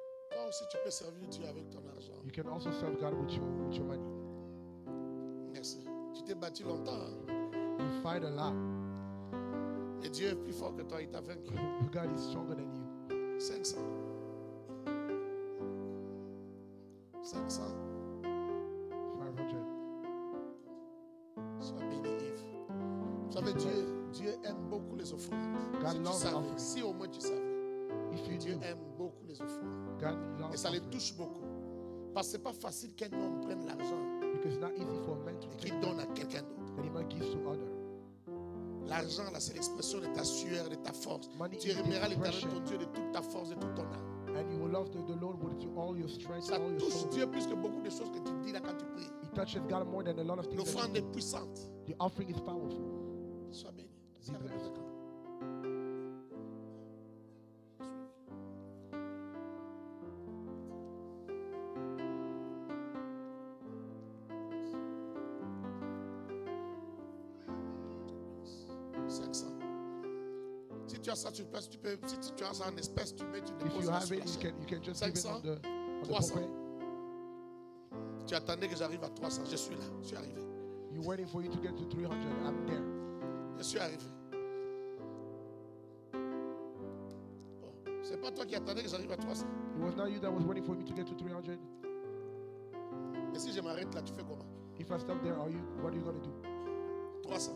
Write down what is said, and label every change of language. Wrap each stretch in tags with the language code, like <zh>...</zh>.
<fr>Toi aussi, tu peux servir Dieu avec ton argent.</fr> <en>You can also serve God with your money.</en> <fr>Merci. Tu t'es battu longtemps.</fr> <en>You fight a lot.</en> <fr>Et Dieu est plus fort que toi, il t'a vaincu.</fr> <en>God is stronger than you. 500. 500. 500.</en> <fr>Sois béni, Yves. Vous savez, Dieu aime beaucoup les offrandes.</fr> <en>God loves offering.</en> <fr>Si au moins tu savais. Dieu aime beaucoup les offrandes.</fr> <en>God loves offering.</en> <fr>Et ça les touche beaucoup. Parce que c'est pas facile qu'un homme prenne l'argent.</fr> <en>Because it's not easy for a man to.</en> <fr>Et qu'il donne à quelqu'un d'autre.</fr> <en>And he might give to others.</en> <fr>L'argent, là, c'est l'expression de ta sueur, de ta force.</fr> <en>Money,</en> <fr>tu aimeras l'éternel ton Dieu de toute ta force, de tout ton âme.</fr> <en>And you will love the Lord with all your strength,</en> <fr>ça</fr> <en>all your soul.</en> <fr>Ça touche Dieu plus que beaucoup de choses que tu dis là quand tu pries.</fr> <en>It touches God more than a lot of things.</en> <fr>L'offrande est puissante.</fr> <en>The offering is powerful.</en> <fr>Sois béni. Vive le temps. Tu as ça, tu peux, si tu as ça en espèce, tu mets une</fr> <en>déposition. If you have it, you can just 500, give it under,</en> <fr>300. Tu attendais que j'arrive à 300. Je suis là. Je suis arrivé.</fr> <en>You're waiting for you to get to 300. I'm there.</en> <fr>Je suis arrivé. Bon, c'est pas toi qui attendais que j'arrive à 300.</fr> <en>It was not you that was waiting for me to get to 300.</en> <fr>Et si je m'arrête là, tu fais comment?</fr> <en>If I stop there, what are you going to do?</en>